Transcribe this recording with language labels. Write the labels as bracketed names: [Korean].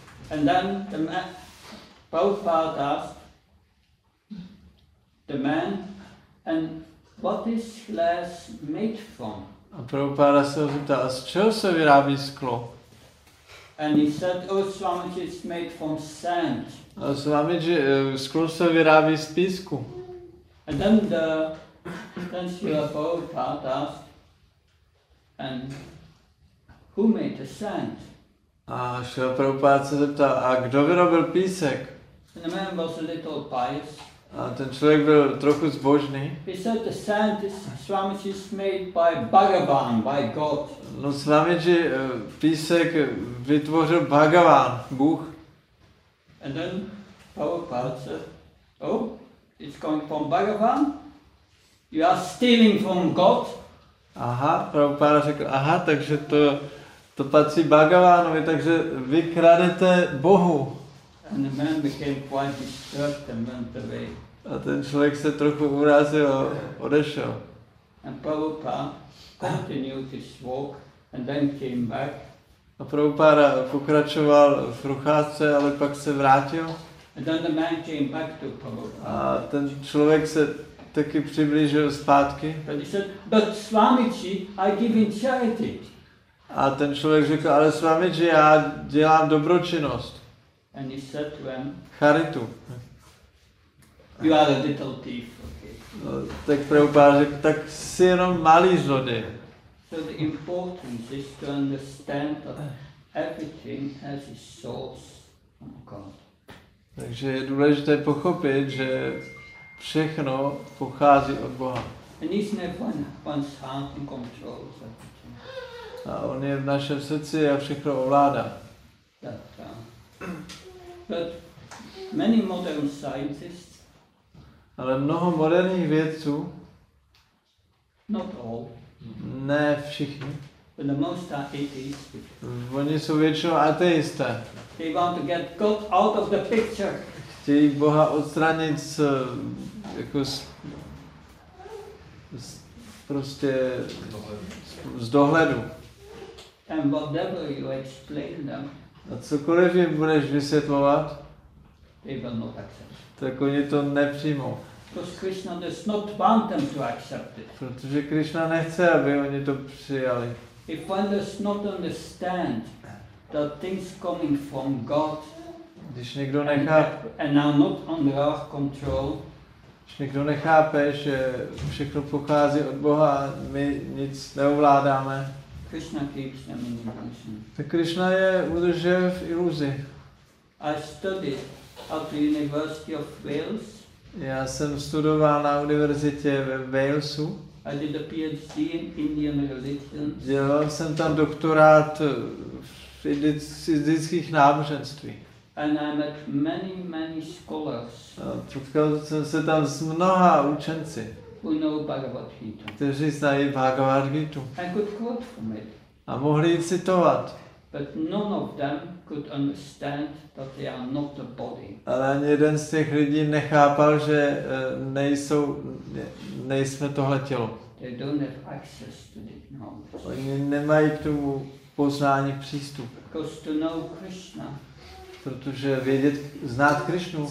[English] And then the man, Prabhupada asked the man, and what is glass made from? [Czech] A Prabhupada se ho zeptal, z čeho se vyrábí sklo? [English] And he said, oh, Swamiji, it's made from sand. [Czech] A Swamiji, sklo se vyrábí z písku. [English] And then then Srila Prabhupada asked, and who made the sand? [Czech] A Srila Prabhupada se zeptal, a kdo vyrobil písek? [English] And the man was a little pious. [Czech] A ten člověk byl trochu zbožný. [English] He said, the sand is, Swamiji, is made by Bhagavan, by God. [Czech] No, Swamiji, písek vytvořil Bhagavan, Bůh. [English] And then Prabhupada said, oh, it's coming from Bhagavan? You are stealing from God? [Czech] Aha, Prabhupada řekl, aha, takže to patří Bhagavanovi, takže vy kradete Bohu. [English] And the man became quite disturbed and went away. [Czech] A ten člověk se trochu urazil a odešel. [English] And Prabhupada continued his walk and then came back. [Czech] A Prabhupada pokračoval v procházce, ale pak se vrátil. [English] And then the man came back to Prabhupada. [Czech] A ten člověk se taky přiblížil zpátky. [English] And he said, but Swamiji, I give in charity. [Czech] A ten člověk řekl, ale Swamiji, já dělám dobročinnost. [English] And he said to him, [Czech] charitu. [English] You are a little thief, okay. [Czech] No, tak Prabhupada řekl, tak jsi jenom malý zlodej. [English] So the importance is to understand that everything has its source from God. [Czech] Takže je důležité pochopit, že všechno pochází od Boha. [English] And he's never one's heart and controls it. [Czech] A on je v našem srdci a všechno ovládá. [English] But many modern scientists, [Czech] ale mnoho moderních vědců, [English] not all, [Czech] ne všichni, [English] but the most are atheists. [Czech] Oni jsou většinou ateisté. [English] They want to get God out of the picture. [Czech] Chtějí Boha odstranit z, jako z, prostě z dohledu. [English] And whatever you explain them, [Czech] a cokoliv jim budeš vysvětlovat, [English] they will not accept. [Czech] Tak oni to nepřijmou. [English] Because Krishna does not want them to accept it. [Czech] Protože Krishna nechce, aby oni to přijali. [English] If one does not understand that things coming from God, [Czech] když někdo nechápe, [English] and are not under our control, [Czech] když někdo nechápe, že všechno pochází od Boha, my nic neovládáme. [English] Krishna keeps them in illusion. [Czech] Tak Krishna je udržuje v iluzi. [English] I studied at the University of Wales. [Czech] Já jsem studoval na univerzitě ve Walesu. [English] I did a PhD in Indian religions. [Czech] Dělal jsem tam doktorát v indických náboženství. [English] And I met many, many scholars. [Czech] Potkal jsem se tam s mnoha učenci. [English] Who know Bhagavad Gita. [Czech] Kteří znají Bhagavad Gitu. [English] And could quote from it. [Czech] A mohli ji citovat. [English] But none of them could understand that they are not the body. [Czech] Ale ani jeden z těch lidí nechápal, že nejsou, nejsme tohle tělo. [English] They don't have access to the knowledge. [Czech] Oni nemají k tomu poznání přístup. [English] Because to know Krishna. [Czech] Protože vědět, znát Krishnu.